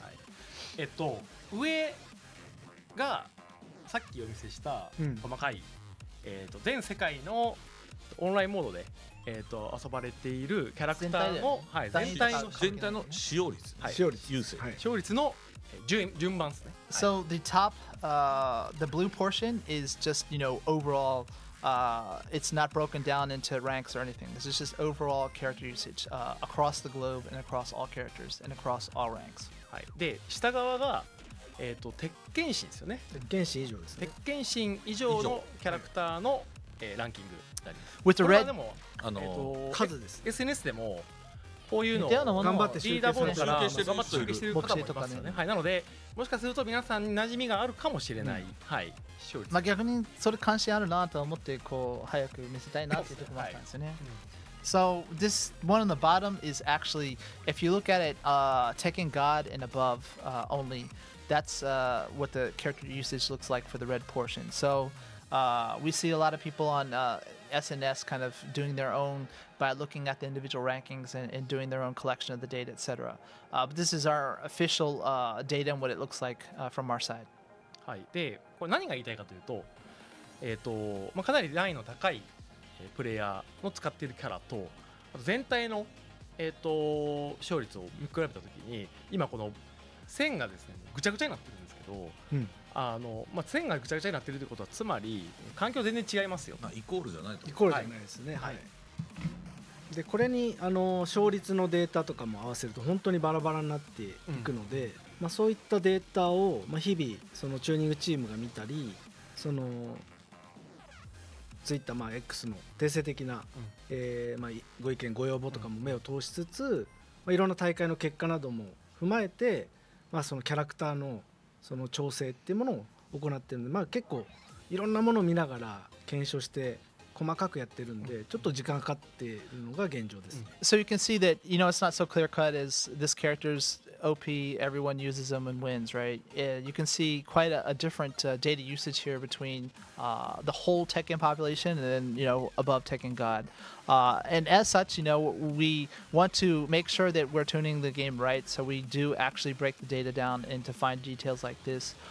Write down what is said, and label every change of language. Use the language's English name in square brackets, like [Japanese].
[Japanese] はい、上がさっきお見せした細かい、うん、全世界のオンラインモードで、遊ばれているキャラクターの全体の使用率、はい、使用率、優勢、はい、使用率の順番ですね。 [English] So the top, the blue portion is just, you know, overallit's not broken down into ranks or anything. This is just overall character usage across the globe and across all characters and across all ranks.、 [Japanese] はい、で下側が、鉄拳神ですよね。鉄拳神以上ですね。鉄拳神以上のキャラクターの、ランキングになります。 [English] With the red, [Japanese] でも、数です、ね。SNS でもこういうのを頑張って集計してる、ね、から集計してる方もいますよ ね、 とかね、はい。なのでもしかすると皆さんに馴染みがあるかもしれない。うん、はい。まあ、逆にそれ関心あるなと思ってこう早く見せたいなっていうところもあったんですよね。 [English] はい、So this one on the bottom is actually, if you look at it, Tekken God and above only, that's what the character usage looks like for the red portion. So we see a lot of people on SNS kind of doing their own by looking at the individual rankings and doing their own collection of the data, etc. But this is our official data and what it looks like from our side. [Japanese] はい、でこれ何が言いたいかというと、まあ、かなりラインの高いプレイヤーの使っているキャラ と、 あと全体の、勝率を見比べたときに、今この線がですねぐちゃぐちゃになってるんですけど、うん、あのまあ、線がぐちゃぐちゃになってるということはつまり環境全然違いますよ。イコールじゃないと。イコールじゃないですね、はいはい、でこれに、勝率のデータとかも合わせると本当にバラバラになっていくので、うん、まあ、そういったデータを日々そのチューニングチームが見たり、そのツイッター、まあ、X の定性的な、うん、まあ、ご意見ご要望とかも目を通しつつ、うん、まあ、いろんな大会の結果なども踏まえて、まあ、そのキャラクター の、 その調整っていうものを行ってるので、まあ、結構いろんなものを見ながら検証して細かくやってるんで、ちょっと時間かかってるのが現状です。 [English] So you can see that, you know, it's not so clear cut as this character's OP, everyone uses them and wins, right? You can see quite a different data usage here between the whole Tekken population and then, you know, above Tekken God. And as such, you know, we want to make sure that we're tuning the game right, so we do actually break the data down and to find details like this.